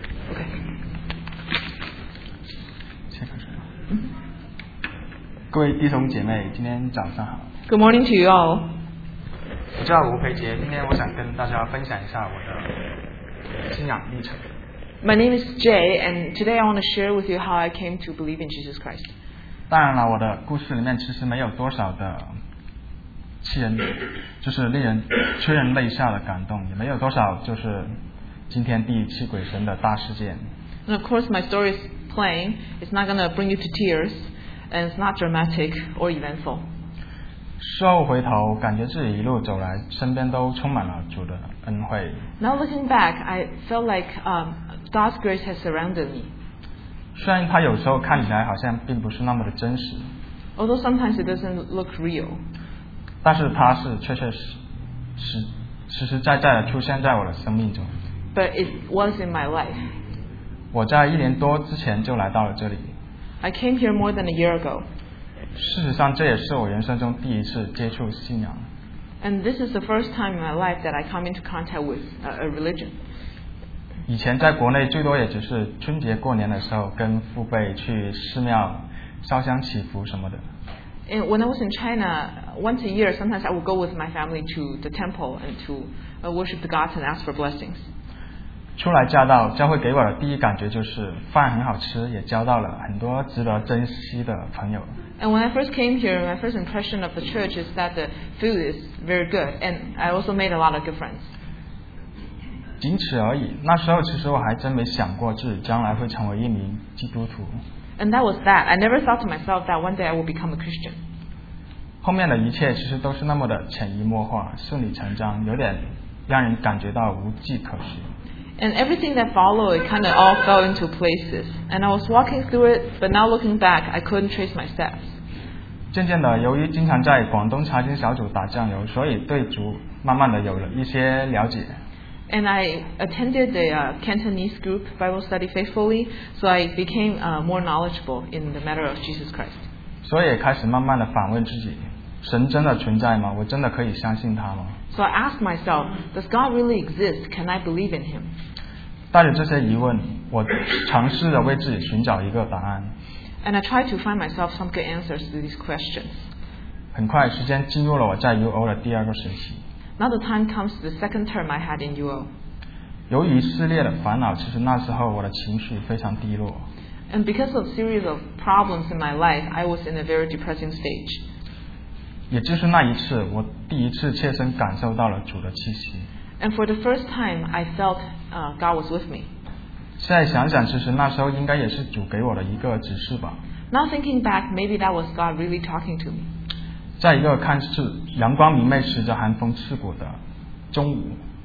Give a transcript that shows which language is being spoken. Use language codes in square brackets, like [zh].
[zh] OK。先开始。各位弟兄姐妹，今天早上好。 [en] Good morning to you all。 [zh] 我叫吴培杰，今天我想跟大家分享一下我的信仰历程。 [en] My name is Jay, and today I want to share with you how I came to believe in Jesus Christ. [zh] 当然了，我的故事里面其实没有多少的气人，就是令人催人泪下的感动，也没有多少就是惊天地泣鬼神的大事件。 [en] And of course, my story is plain. It's not going to bring you to tears, and it's not dramatic or eventful. [zh] 事后回头，感觉自己一路走来，身边都充满了主的恩惠。 [en] Now looking back, I felt like God's grace has surrounded me. [zh] 虽然它有时候看起来好像并不是那么的真实。 [en] Although sometimes it doesn't look real. [zh] 但是它是确确实实实在在的出现在我的生命中。 [en] But it was in my life. [zh] 我在一年多之前就来到了这里。 [en] I came here more than a year ago. [zh] 事实上，这也是我人生中第一次接触信仰。 [en] And this is the first time in my life that I come into contact with a religion. [zh] 以前在国内最多也只是春节过年的时候跟父辈去寺庙烧香祈福什么的。 [en] And when I was in China, once a year, sometimes I would go with my family to the temple and to worship the gods and ask for blessings. [zh] 初来乍到，教会给我的第一感觉就是饭很好吃，也交到了很多值得珍惜的朋友。 [en] And when I first came here, my first impression of the church is that the food is very good, and I also made a lot of good friends. [zh] 仅此而已。那时候其实我还真没想过自己将来会成为一名基督徒。 [en] And that was that. I never thought to myself that one day I would become a Christian. [zh] 后面的一切其实都是那么的潜移默化，顺理成章，有点让人感觉到无计可施。 [en] And everything that followed, it kind of all fell into places. And I was walking through it, but now looking back, I couldn't trace my steps. [zh] 渐渐的，由于经常在广东查经小组打酱油，所以对主慢慢的有了一些了解。 [en] And I attended the Cantonese group Bible study faithfully, so I became more knowledgeable in the matter of Jesus Christ. [zh] 所以也开始慢慢的反问自己，神真的存在吗？我真的可以相信他吗？ [en] So I asked myself, does God really exist? Can I believe in him? [zh] 带着这些疑问，我尝试着为自己寻找一个答案。 [en] And I tried to find myself some good answers to these questions. [zh] 很快，时间进入了我在 UO 的第二个学期。 [en] Now the time comes to the second term I had in UO. [zh] 由于撕裂的烦恼，其实那时候我的情绪非常低落。 [en] And because of a series of problems in my life, I was in a very depressing stage. [zh] 也就是那一次，我第一次切身感受到了主的气息。 [en] And for the first time, I felt God was with me. [zh] 现在想想，其实那时候应该也是主给我的一个指示吧。 [en] Now thinking back, maybe that was God really talking to me. [zh] 在一个看似阳光明媚、时着寒风刺骨的中午。